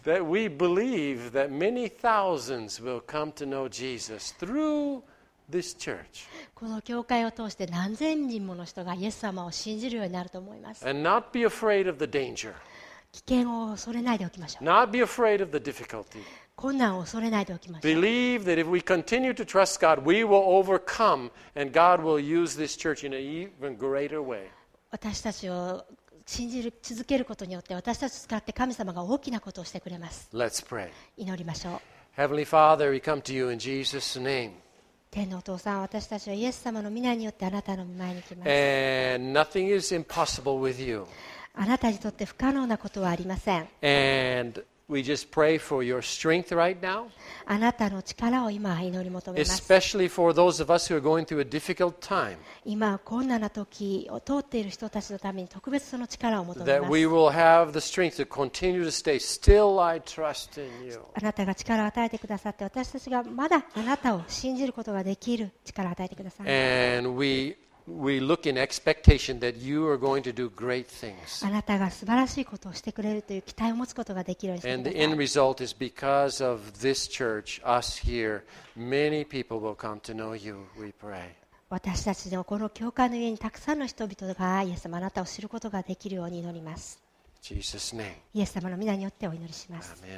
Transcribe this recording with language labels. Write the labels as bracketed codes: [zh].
[en] That we believe that many thousands will come to know Jesus through this church. [ja] この教会を通して何千人もの人がイエス様を信じるようになると思います。 [en] And not be afraid of the danger. [ja] 危険を恐れないでおきましょう。 [en] Not be afraid of the difficulty. [ja] 困難を恐れないでおきましょう。 [en] Believe that if we continue to trust God, we will overcome and God will use this church in an even greater way. [ja] 私たちを信じる、続けることによって私たちを使って神様が大きなことをしてくれます。 [en] Let's pray. [ja] 祈りましょう。 [en] Heavenly Father, we come to you in Jesus' name. [ja] 天のお父さん、私たちはイエス様の御名によってあなたの御前に来ます。 [en] And nothing is impossible with you. [ja] あなたにとって不可能なことはありません。 [en] And we just pray for your strength right now. [ja] あなたの力を今祈り求めます。 [en] Especially for those of us who are going through a difficult time. [ja] 今困難な時を通っている人たちのために特別その力を求めます。 [en] That we will have the strength to continue to stay still. I trust in you. [ja] あなたが力を与えてくださって、私たちがまだあなたを信じることができる力を与えてください。 [en] And we look in expectation that you are going to do great things. [ja] あなたが素晴らしいことをしてくれるという期待を持つことができるようにしてください。 [en] And the end result is because of this church, us here, many people will come to know you, we pray. [ja] 私たちのこの教会の上にたくさんの人々がイエス様あなたを知ることができるように祈ります。 [en] Jesus' name. [ja] イエス様の皆によってお祈りします。